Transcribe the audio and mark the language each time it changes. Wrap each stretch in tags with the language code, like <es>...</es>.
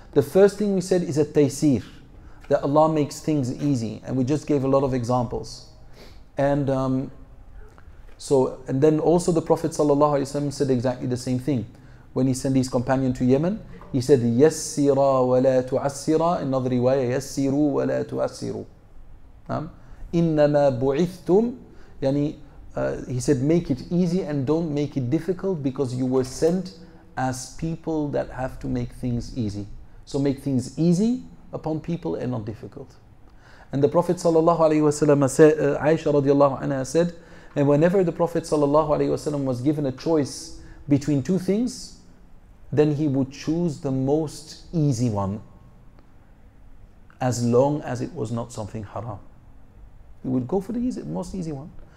<en>The first thing we said is a taysir, that Allah makes things easy. And we just gave a lot of examples. And and then also the Prophet ﷺ said exactly the same thing. When he sent his companion to Yemen, he said,</en> <ar>يَسِّرَا وَلَا تُعَسِّرَا.</ar> <en>Another riwayah,</en> <ar>يَسِّرُوا وَلَا تُعَسِّرُوا. إِنَّمَا بُعِثْتُمْ.</ar> <en>Yani, he said, make it easy and don't make it difficult, because you were sent as people that have to make things easy. So make things easy upon people and not difficult. And the Prophet ﷺ said, Aisha radiallahu anha said, and whenever the Prophet ﷺ was given a choice between two things, then he would choose the most easy one, as long as it was not something haram. He would go for the most easy one.</en>